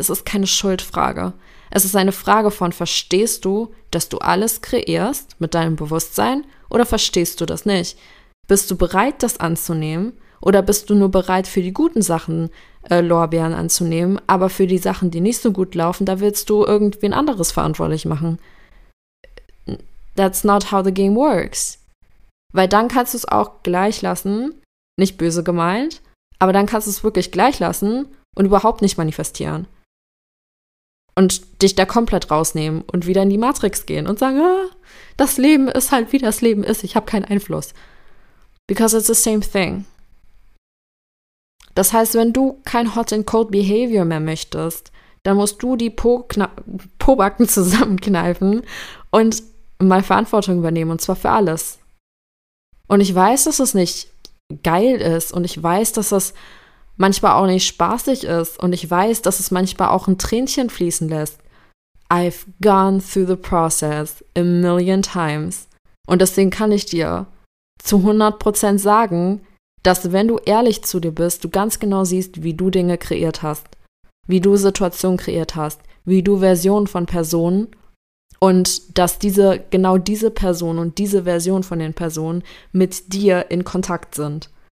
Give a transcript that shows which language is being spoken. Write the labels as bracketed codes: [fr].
[de] Es ist keine Schuldfrage. Es ist eine Frage von, verstehst du, dass du alles kreierst mit deinem Bewusstsein oder verstehst du das nicht? Bist du bereit, das anzunehmen? Oder bist du nur bereit, für die guten Sachen Lorbeeren anzunehmen, aber für die Sachen, die nicht so gut laufen, da willst du irgendwen anderes verantwortlich machen? [en] That's not how the game works. [de] Weil dann kannst du es auch gleich lassen, nicht böse gemeint, aber dann kannst du es wirklich gleich lassen und überhaupt nicht manifestieren. Und dich da komplett rausnehmen und wieder in die Matrix gehen und sagen, ah, das Leben ist halt, wie das Leben ist, ich habe keinen Einfluss. [en] Because it's the same thing. [de] Das heißt, wenn du kein Hot-and-Cold-Behavior mehr möchtest, dann musst du die Pobacken zusammenkneifen und mal Verantwortung übernehmen, und zwar für alles. Und ich weiß, dass es nicht geil ist und ich weiß, dass es manchmal auch nicht spaßig ist und ich weiß, dass es manchmal auch ein Tränchen fließen lässt. [en] I've gone through the process a million times. [de] Und deswegen kann ich dir zu 100% sagen, dass wenn du ehrlich zu dir bist, du ganz genau siehst, wie du Dinge kreiert hast, wie du Situationen kreiert hast, wie du Versionen von Personen und dass genau diese Person und diese Version von den Personen mit dir in Kontakt sind.